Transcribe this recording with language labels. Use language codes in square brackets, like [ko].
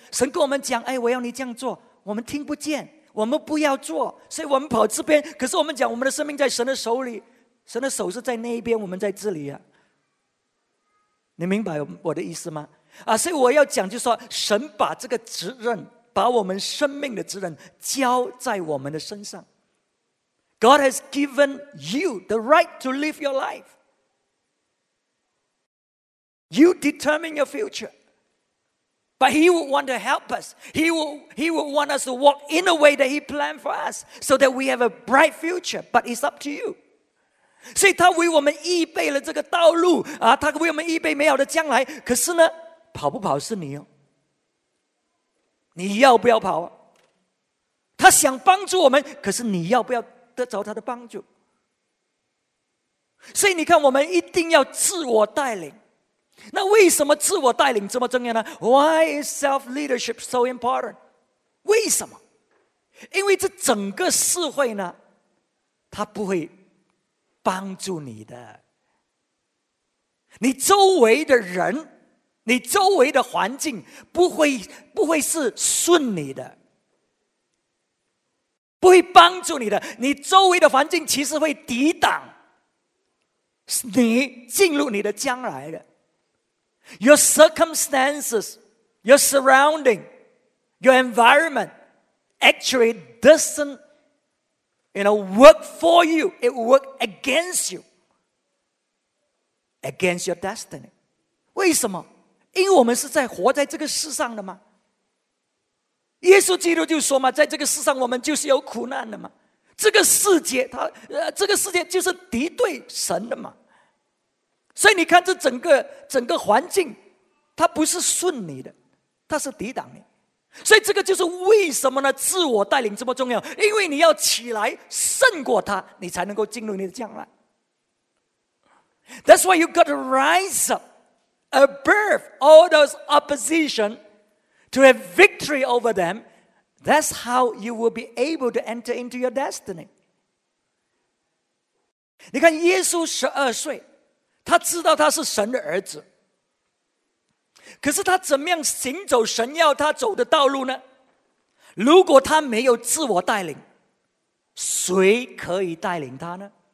[zh] 神跟我们讲，哎，我要你这样做，我们听不见，我们不要做，所以我们跑这边。可是我们讲我们的生命在神的手里，神的手是在那一边，我们在这里啊。你明白我的意思吗？啊，所以我要讲就是说，神把这个责任，把我们生命的责任交在我们的身上。 [en] God has given you the right to live your life. You determine your future. But he would want to help us. He would want us to walk in a way that he planned for us so that we have a bright future. But it's up to you. [zh] 所以他为我们预备了这个道路啊，他为我们预备美好的将来。可是呢，跑不跑是你哦，你要不要跑？他想帮助我们，可是你要不要得着他的帮助？所以你看，我们一定要自我带领。那为什么自我带领这么重要呢？ [en] Why is self-leadership so important? [zh] 为什么？因为这整个社会呢，他不会帮助你的，你周围的人，你周围的环境不会是顺你的，不会帮助你的，你周围的环境其实会抵挡你进入你的将来的。 [en] Your circumstances, your surrounding, your environment actually doesn'tYou know, work for you. It will work against you. Against your destiny. [zh] 为什么？因为我们是在活在这个世上的嘛。耶稣基督就说嘛，在这个世上我们就是有苦难的嘛。这个世界就是敌对神的嘛。所以你看这整个环境，它不是顺你的，它是抵挡你。所以这个就是为什么呢？自我带领这么重要，因为你要起来胜过它，你才能够进入你的将来。 [en] That's why you got to rise up above all those opposition to have victory over them. That's how you will be able to enter into your destiny. [zh] 你看耶稣十二岁，他知道他是神的儿子，可是他怎么样行走神要他走的道路呢？如果他没有自我带领，谁可以带领他呢？